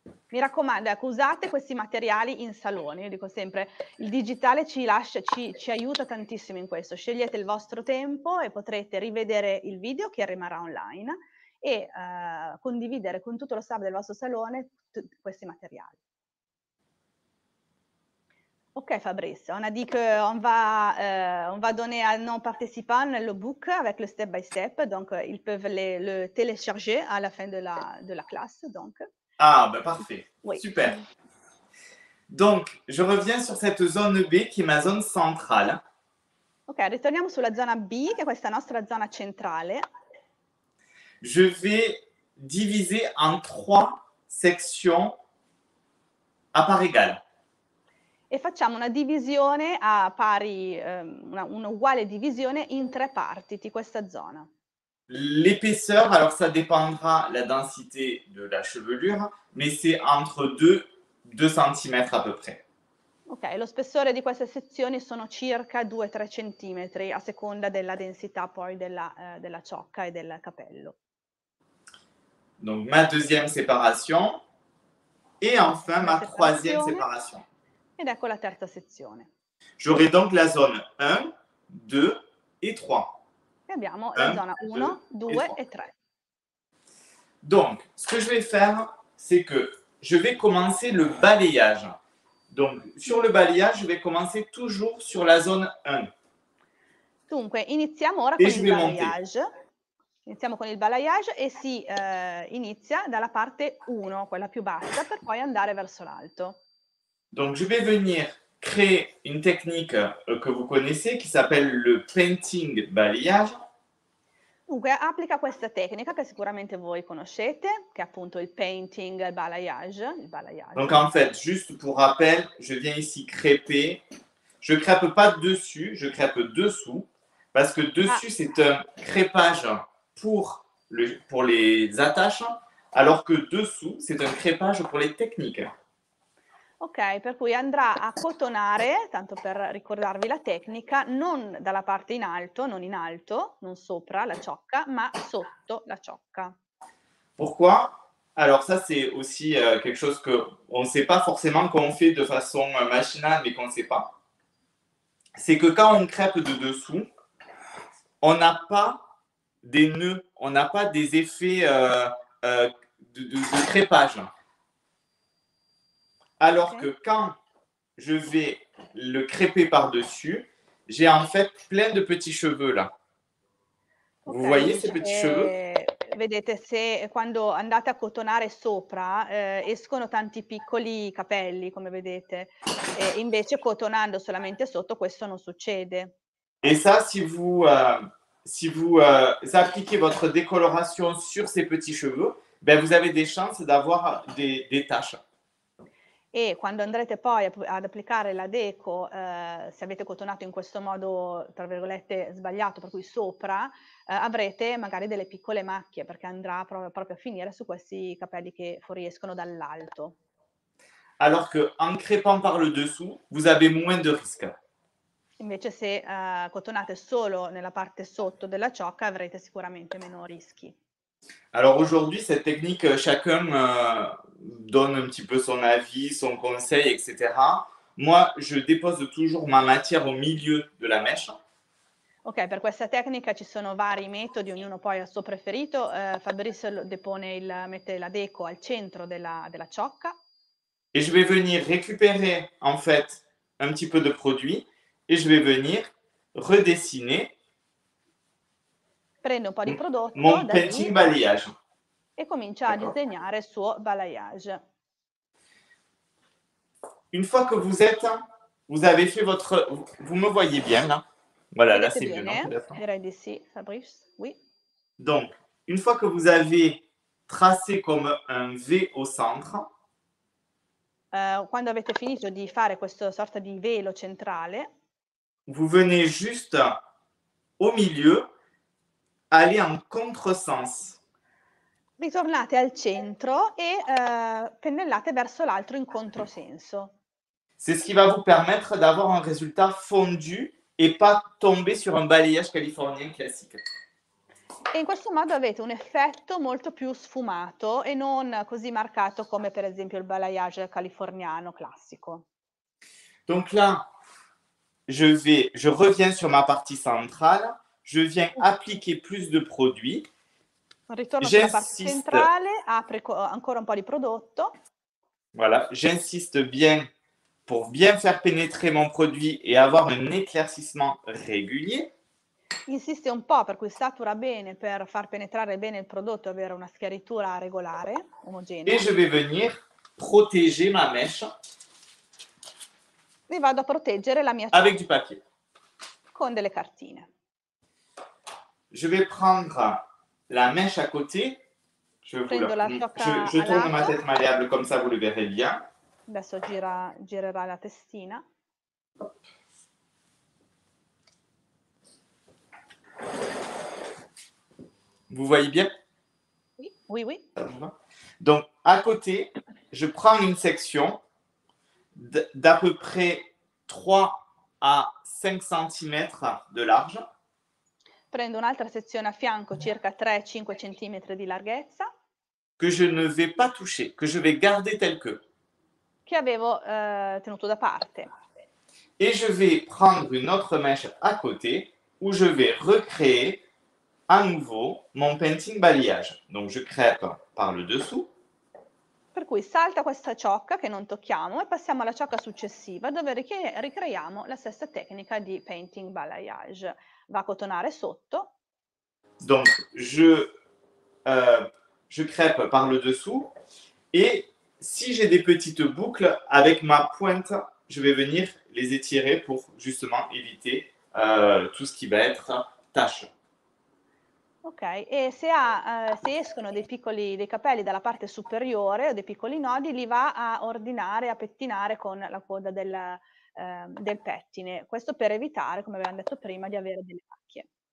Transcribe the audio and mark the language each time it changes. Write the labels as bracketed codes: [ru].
[it] Mi raccomando, usate questi materiali in salone, io dico sempre, il digitale ci aiuta tantissimo in questo, scegliete il vostro tempo e potrete rivedere il video che rimarrà online e condividere con tutto lo staff del vostro salone questi materiali. [fr] Ok Fabrice, on a dit qu'on va donner à nos participants le book avec le step by step, donc ils peuvent le télécharger à la fin de la classe, donc. Ah, ben parfait. Oui. Super. Donc, je reviens sur cette zone B qui est ma zone centrale. [it] Ok, ritorniamo sulla zona B, che è questa nostra zona centrale. [fr] Je vais diviser en trois sections à part égale. [it] E facciamo una divisione a pari, un'uguale divisione in tre parti di questa zona. [fr] L'épaisseur, alors ça dépendra la densité de la chevelure, mais c'est entre 2 cm à peu près. [it] Ok, lo spessore di queste sezioni sono circa 2-3 cm a seconda della densità poi della ciocca e del capello. [fr] Donc ma deuxième séparation et enfin ma troisième séparation. [it] Ed ecco la terza sezione. [fr] J'aurai donc la zone 1, 2 et 3. [it] Abbiamo la zona 1, 2 e 3. [fr] Donc, ce que je vais faire, c'est que je vais commencer le balayage. Donc, sur le balayage, je vais commencer toujours sur la zone 1. [it] Dunque, iniziamo ora con il balayage. Iniziamo con il balayage e si inizia dalla parte 1, quella più bassa, per poi andare verso l'alto. [fr] Donc, je vais venir créer une technique que vous connaissez qui s'appelle le painting balayage. [it] Dunque, applica questa tecnica che sicuramente voi conoscete, che è appunto il painting, il balayage. [fr] Donc en fait, juste pour rappel, je viens ici crêper. Je crêpe pas dessus, je crêpe dessous, parce que dessus c'est un crépage pour les attaches, alors que dessous c'est un crépage pour les techniques. [it] Ok, per cui andrà a cotonare, tanto per ricordarvi la tecnica, non dalla parte in alto, non in alto, non sopra la ciocca, ma sotto la ciocca. [fr] Pourquoi? Alors ça c'est aussi quelque chose que on sait pas forcément qu'on fait de façon machinale, mais qu'on sait pas. C'est que quand on crêpe de dessous, on n'a pas des nœuds, on n'a pas des effets de crépage. Alors que quand je vais le crêper par-dessus, j'ai en fait plein de petits cheveux là. Okay. Vous voyez ces petits cheveux? [it] Vedete, se quando andate a cotonare sopra, escono tanti piccoli capelli, come vedete. E invece cotonando solamente sotto, questo non succede. [fr] Et ça, si vous appliquez votre décoloration sur ces petits cheveux, ben vous avez des chances d'avoir des taches. [it] E quando andrete poi ad applicare la deco, se avete cotonato in questo modo, tra virgolette, sbagliato, per cui sopra, avrete magari delle piccole macchie, perché andrà proprio a finire su questi capelli che fuoriescono dall'alto. [fr] Alors que en crêpant par le dessous, vous avez moins de risque. [it] Invece se cotonate solo nella parte sotto della ciocca, avrete sicuramente meno rischi. [fr] Alors aujourd'hui, cette technique, chacun donne un petit peu son avis, son conseil, etc. Moi, je dépose toujours ma matière au milieu de la mèche. [it] Ok, per questa tecnica ci sono vari metodi, ognuno poi ha il suo preferito. Fabrice depone il, mette la deco al centro della, della ciocca. [fr] E je vais venir récupérer, en fait, un petit peu de produit et je vais venir redessiner. [it] Prende un po' di prodotto. [fr] Mon petit balayage. [it] E comincia a disegnare il suo balayage. [fr] Une fois que vous êtes, vous avez fait votre... Vous me voyez bien, là? Voilà, là c'est mieux, non? [it] Direi di sì, Fabrice, [fr] oui. Donc, une fois que vous avez tracé comme un V au centre... [it] Quando avete finito di fare questa sorta di velo centrale... [fr] Vous venez juste au milieu, aller en contresens. [it] Ritornate al centro e pennellate verso l'altro in controsenso. [fr] C'est ce qui va vous permettre d'avoir un résultat fondu et pas tomber sur un balayage californien classique. [it] E in questo modo avete un effetto molto più sfumato e non così marcato come per esempio il balayage californiano classico. [fr] Donc là, je reviens sur ma partie centrale, je viens appliquer plus de produits. [it] Ritorno sulla parte centrale, apre ancora un po' di prodotto. [fr] Voilà, j'insiste bien pour bien faire pénétrer mon produit et avoir un éclaircissement régulier. [it] Insiste un po', per cui satura bene per far penetrare bene il prodotto, avere una schiaritura regolare, omogenea. [fr] Et je vais venir protéger ma mèche. [it] E vado a proteggere la mia ciocca. [fr] Avec du papier. [it] Con delle cartine. [fr] Je vais prendre la mèche à côté. Je tourne ma tête malléable, comme ça vous le verrez bien. [it] Adesso girerà la testina. [fr] Vous voyez bien? Oui, oui. Donc, à côté, je prends une section d'à peu près 3 à 5 cm de large. [it] Prendo un'altra sezione a fianco, circa 3-5 cm di larghezza. [fr] Que je ne vais pas toucher, que je vais garder tel que. [it] Che avevo tenuto da parte. [fr] Et je vais prendre une autre mèche à côté où je vais recréer à nouveau mon painting balayage. Donc je crêpe par le dessous. [it] Per cui salta questa ciocca che non tocchiamo e passiamo alla ciocca successiva dove ricreiamo la stessa tecnica di painting balayage. Va a cotonare sotto. [fr] Donc je crêpe par le dessous et si j'ai des petites boucles avec ma pointe, je vais venir les étirer pour justement éviter tout ce qui va être tache. [it] Ok, e se, se escono dei capelli dalla parte superiore o dei piccoli nodi, li va a ordinare, a pettinare con la coda del pettine. Questo per evitare, come abbiamo detto prima, di avere delle macchie.